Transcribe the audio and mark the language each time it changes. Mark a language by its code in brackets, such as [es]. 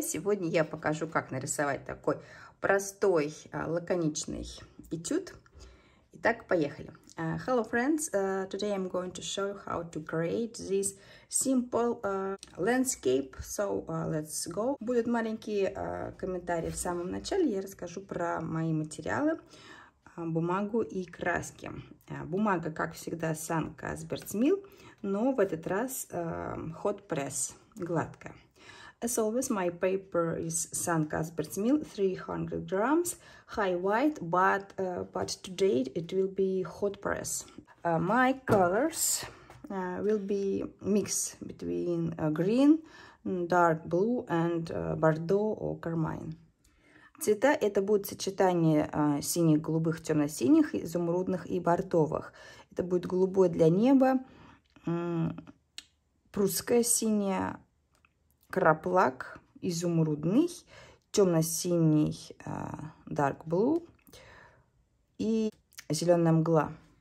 [ru] Сегодня я покажу, как нарисовать такой простой, лаконичный этюд. Итак, поехали! [en] Hello, friends! Today I'm going to show you how to create this simple landscape. So, let's go! [ru] Будет маленький комментарий в самом начале. Я расскажу про мои материалы, бумагу и краски. Бумага, как всегда, Санка Сберцмил, но в этот раз hot press, гладкая. [en] As always, my paper is Sanka Sberzmil, 300 grams, high white, but today it will be hot press. My colors will be mix between green, dark blue and Bordeaux or carmine. [ru] Цвета – это будет сочетание синих, голубых, темно-синих, изумрудных и бордовых. Это будет голубое для неба, прусское синее, краплак изумрудный, темно-синий [en] dark blue [ru] и зеленая мгла.